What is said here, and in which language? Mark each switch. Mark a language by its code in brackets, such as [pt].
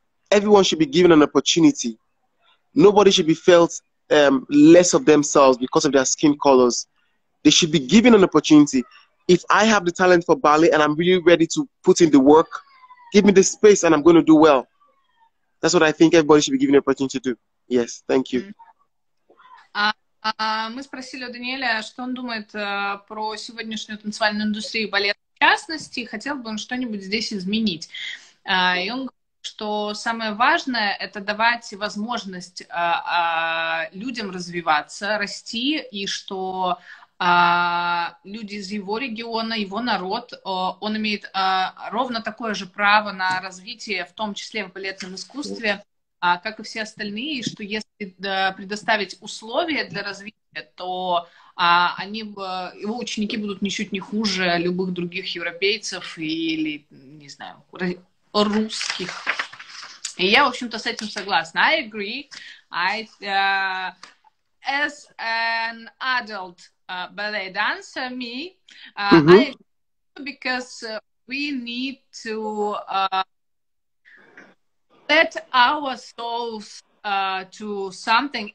[en] Everyone should be given an opportunity. Nobody should be felt less of themselves because of their skin colors. They should be given an opportunity. If I have the talent for ballet and I'm really ready to put in the work, give me the space and I'm going to do well. That's what I think everybody should be given the opportunity to do. Yes, thank you. [ru] Мы спросили у Даниэля, что он думает про сегодняшнюю танцевальную индустрию балета в частности, хотел бы он что-нибудь здесь изменить. И он что самое важное – это давать возможность людям развиваться, расти, и что люди из его региона, его народ, он имеет ровно такое же право на развитие, в том числе в балетном искусстве, как и все остальные, и что если предоставить условия для развития, то его ученики будут ничуть не хуже любых других европейцев или, не знаю, русских. И я, в общем-то, с этим согласна. [en] I agree. As an adult ballet dancer, me, I agree because we need to let our souls to something.